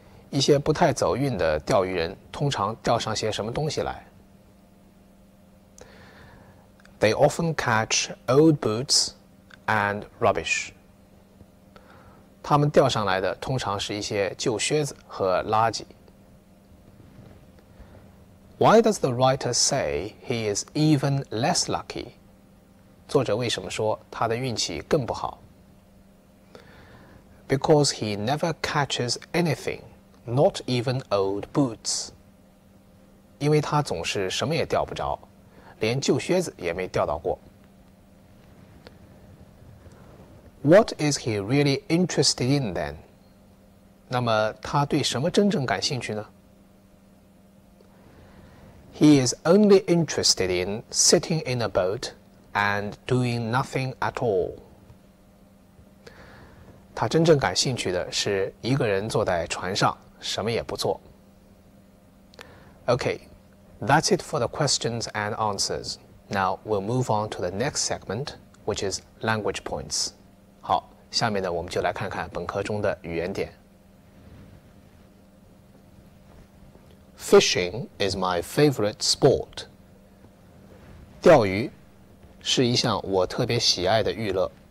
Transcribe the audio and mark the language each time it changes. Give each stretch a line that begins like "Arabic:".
Chinese: 一些不太走运的钓鱼人通常钓上些什么东西来?
English: They often catch old boots and rubbish.
Chinese: 他们钓上来的通常是一些旧靴子和垃圾。
English: Why does the writer say he is even less lucky?
Chinese: 作者为什么说他的运气更不好?
English: Because he never catches anything. Not even old boots.
Chinese: 因为他总是什么也钓不着，连旧靴子也没钓到过。
English: What is he really interested in then?
Chinese: 那么他对什么真正感兴趣呢?
English: He is only interested in sitting in a boat and doing nothing at all.
Chinese: 他真正感兴趣的是一个人坐在船上什么也不做。
English: Okay, that's it for the questions and answers. Now we'll move on to the next segment, which is language points.
Chinese: 好，下面呢我们就来看看本课中的语言点。
English: Fishing is my favorite sport.
Chinese: 钓鱼是一项我特别喜爱的娱乐。